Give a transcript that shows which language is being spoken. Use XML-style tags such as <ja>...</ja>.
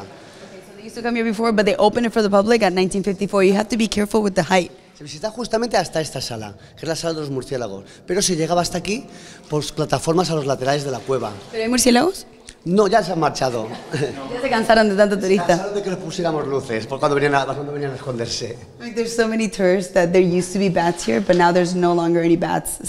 <en>Okay, so they used to come here before, but they opened it for the public at 1954. You have to be careful with the height.</en> <es>Se visita justamente hasta esta sala, que es la sala de los murciélagos. Pero se llegaba hasta aquí por plataformas a los laterales de la cueva. ¿Pero hay murciélagos? No, ya se han marchado. Ya se cansaron de tanto turista. Se cansaron de que les pusiéramos luces, por cuando venían a esconderse.</es> <en>Like, there's so many tours that there used to be bats here, but now there's no longer any bats.</en>